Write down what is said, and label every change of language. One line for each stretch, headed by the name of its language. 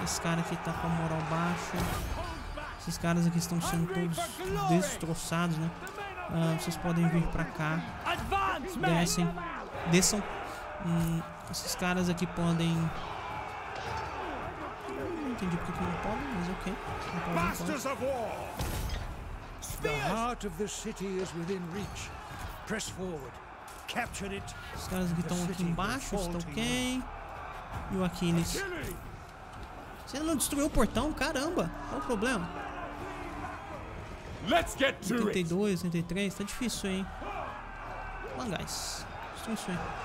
Portuguese: Esse cara aqui tá com a moral baixa. Esses caras aqui estão sendo todos destroçados, né? Vocês podem vir pra cá. Descem. Desçam. Esses caras aqui podem... Não entendi porque não podem, mas ok.
English: Masters of War! The heart of the city is within reach. Press forward. Capture it.
Portuguese: Os caras que estão aqui embaixo estão ok. E o Aquiles. Você não destruiu o portão? Caramba! Qual o problema? 82, 83, tá difícil, hein? Mangás. Destrui isso aí.